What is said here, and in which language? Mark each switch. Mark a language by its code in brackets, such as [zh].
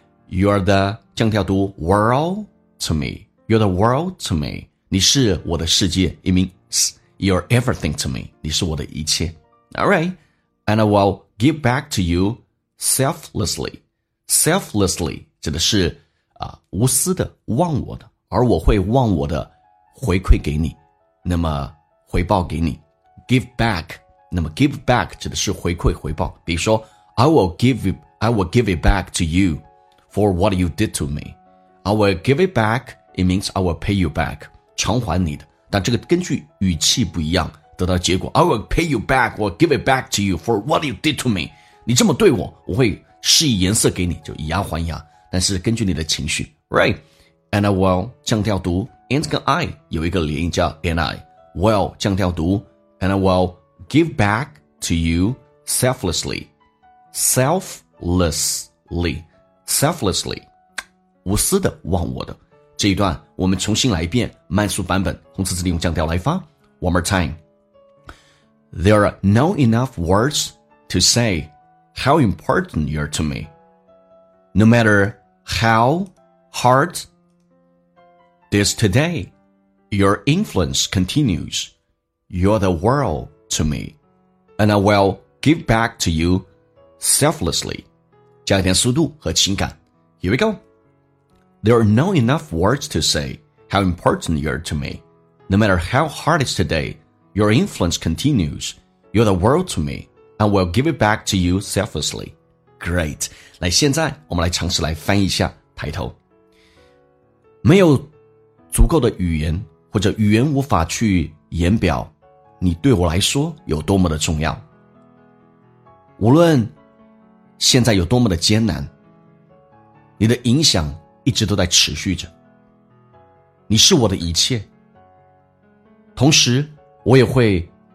[en] You're the [zh] 降调读 [en] world to me. You're the world to me. [zh] 你是我的世界。 [en] It means you're everything to me. [zh] 你是我的一切。 [en] Alright. And I will give back to you selflessly. [zh] Selflessly 指的是、无私的、忘我的。而我会忘我的回馈给你。那么回报给你。Give back. 那么 give back 指的是回馈回报。比如说 [en] I will give it back to you for what you did to me. I will give it back. It means I will pay you back, [zh] 偿还你的。但这个根据语气不一样，得到结果。 [en] I will pay you back, I will give it back to you for what you did to me. [zh] 你这么对我，我会施以颜色给你，就以牙还牙。但是根据你的情绪 [en] ，right? And I will [zh] 降调读 [en] ，and [zh] 跟 [en] I [zh] 有一个连音叫 [en] and I will 降调读 ，and I will give back to you selflessly, selflessly, selflessly, [zh] 无私的，忘我的。这一段我们重新来一遍慢速版本，红色字体用降调来发。 [en] One more time. There are no enough words to say how important you are to me. No matter how hard it is today, your influence continues. You're the world to me. And I will give back to you selflessly. [zh] 加一点速度和情感。 [en] Here we go. There are no enough words to say how important you are to me. No matter how hard it's today, your influence continues. You're the world to me, and will give it back to you selflessly. Great. [zh] 来，现在我们来尝试来翻译一下抬头。没有足够的语言，或者语言无法去言表，你对我来说有多么的重要。无论现在有多么的艰难，你的影响一直都在持续着，你是我的一切，同时我也会